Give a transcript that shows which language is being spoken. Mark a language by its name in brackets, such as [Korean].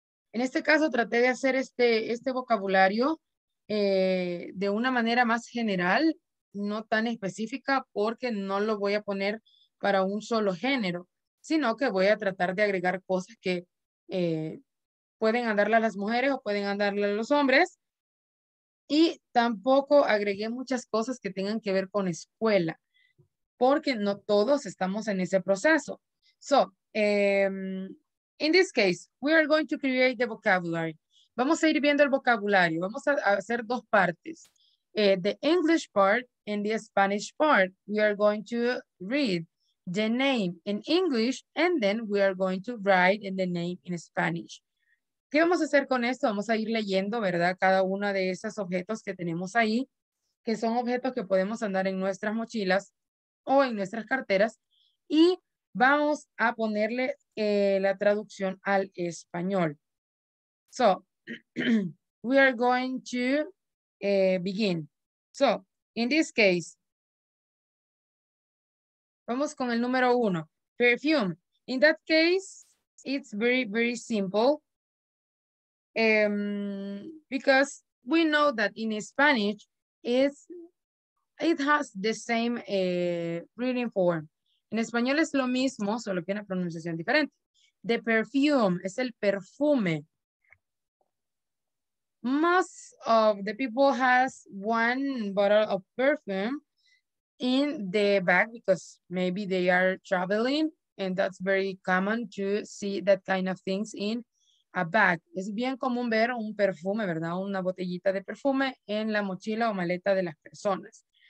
[Spanish] En este caso, traté de hacer este vocabulario de una manera más general, no tan específica, porque no lo voy a poner para un solo género, sino que voy a tratar de agregar cosas que pueden andarle a las mujeres o pueden andarle a los hombres. Y tampoco agregué muchas cosas que tengan que ver con escuela, porque no todos estamos en ese proceso. [English] So, in this case, we are going to create the vocabulary. [Spanish] Vamos a ir viendo el vocabulario. Vamos a hacer dos partes. [English] The English part and the Spanish part. We are going to read the name in English and then we are going to write in the name in Spanish. [Spanish] ¿Qué vamos a hacer con esto? Vamos a ir leyendo, ¿verdad? Cada uno de esos objetos que tenemos ahí, que son objetos que podemos andar en nuestras mochilas o en nuestras carteras, y vamos a ponerle la traducción al español. [English] So, we are going to begin. So, in this case, [Spanish] vamos con el número 1, perfume. [English] In that case, it's very, very simple. Because we know that in Spanish, it has the same reading form. [Spanish] En español es lo mismo, solo que una pronunciación diferente. [English] The perfume [Spanish] es el perfume. [English] Most of the people has one bottle of perfume in the bag because maybe they are traveling, and that's very common to see that kind of things in a bag. [Spanish] Es bien común ver un perfume, ¿verdad? Una botellita de perfume en la mochila o maleta de las personas.